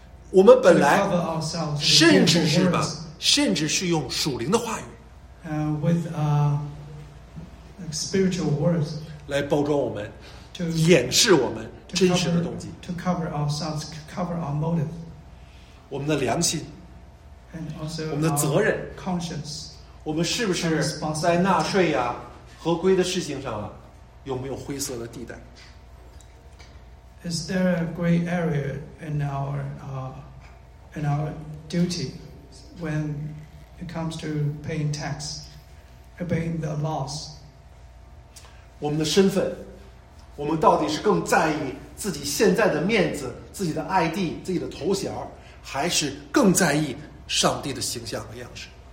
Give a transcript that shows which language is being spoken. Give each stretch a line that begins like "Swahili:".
Chinese: 我们本来甚至是用属灵的话语
English: with spiritual words
Chinese: 来包装我们，掩饰我们真实的动机。
English: To cover ourselves, cover our motive.
Chinese: 我们的良心
English: and also
Chinese: 我们的责任
English: conscience.
Chinese: 我们是不是在纳税呀、合规的事情上啊，有没有灰色的地带？
English: Is there a gray area in our duty when it comes to paying tax, obeying the laws?
Chinese: 我们的身份，我们到底是更在意自己现在的面子、自己的 ID、自己的头衔，还是更在意上帝的形象和样式